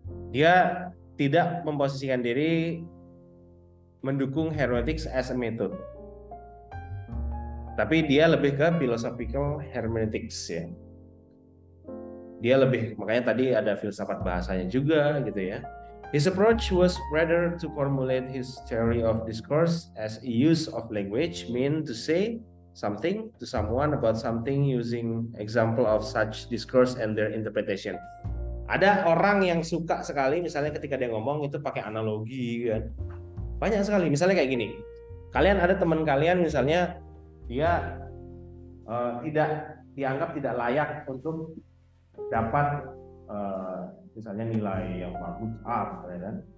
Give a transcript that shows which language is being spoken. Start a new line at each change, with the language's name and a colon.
Indonesian: Dia tidak memposisikan diri mendukung
English: hermeneutics as a method.
Indonesian: Tapi dia lebih ke
English: philosophical hermeneutics
Indonesian: ya. Dia lebih, makanya tadi ada filsafat bahasanya juga gitu ya.
English: His approach was rather to formulate his theory of discourse as a use of language mean to say something to someone about something using example of such discourse and their interpretation.
Indonesian: Ada orang yang suka sekali misalnya ketika dia ngomong itu pakai analogi kan. Banyak sekali misalnya kayak gini. Kalian ada teman kalian misalnya dia tidak dianggap tidak layak untuk dapat misalnya nilai yang bagus A kan.